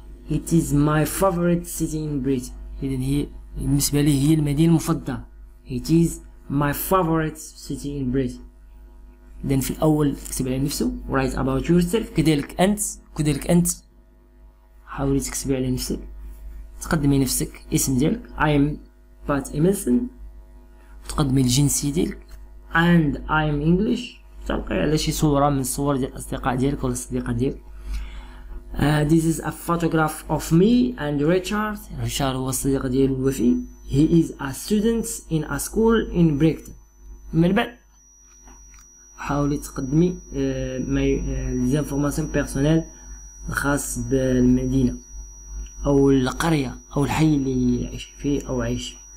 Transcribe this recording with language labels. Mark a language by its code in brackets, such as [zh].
[en] It is my favorite city in Britain. [ar] إذن هي بالنسبة لي هي المدينة المفضلة. [en] It is my favorite city in Britain. [ar] إذن في الأول اكتب على نفسه. [en] Write about yourself. [ar] كذلك أنت حاولي تكتب على نفسك، تقدمي نفسك، اسم ديالك [en] I am Pat Emerson، [ar] تقدمي الجنسية ديالك [en] and I am English، [ar] تلقي على شي صورة من الصور ديال الأصدقاء ديالك ولا الصديقة ديالك. [en] This is a photograph of me and Richard. [ar] Richard هو الصديق ديال الوفي. [en] He is a student in a school in Brighton. [ar] من بعد حاولي تقدمي الانفورماسيون بيرسونيل الخاص بالمدينة أو القرية أو الحي اللي عايش فيه أو عايش فيه.